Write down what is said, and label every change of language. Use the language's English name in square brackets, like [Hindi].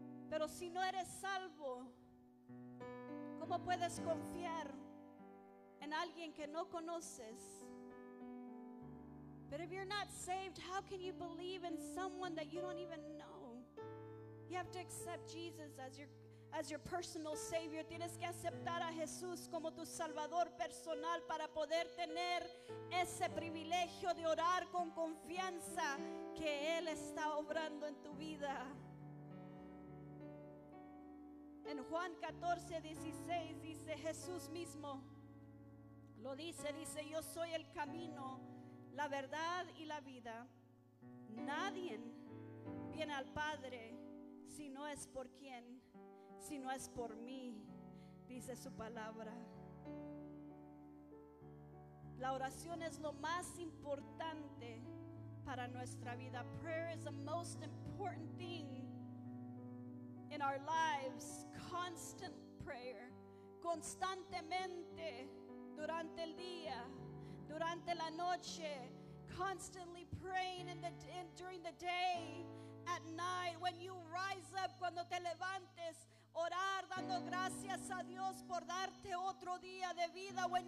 [Spanish] Pero si no eres salvo, ¿cómo puedes confiar en alguien que no conoces? [English] But if you're not saved, how can you believe in someone that you don't even know? You have to accept Jesus as your personal Savior. [Spanish] Tienes que aceptar a Jesús como tu Salvador personal para poder tener ese privilegio de orar con confianza que Él está obrando en tu vida. En Juan 14:16 dice Jesús mismo, lo dice, dice, yo soy el camino, la verdad y la vida. Nadie viene al Padre si no es por quién, si no es por mí, dice su palabra. La oración es lo más importante para nuestra vida. [English] Prayer is the most important thing in our lives. Constant prayer, [Spanish] constantemente durante el día, durante la noche, [English] constantly praying during the day, at night, when you rise up, [Spanish] cuando te levantes, orar dando gracias a Dios por darte otro día de vida.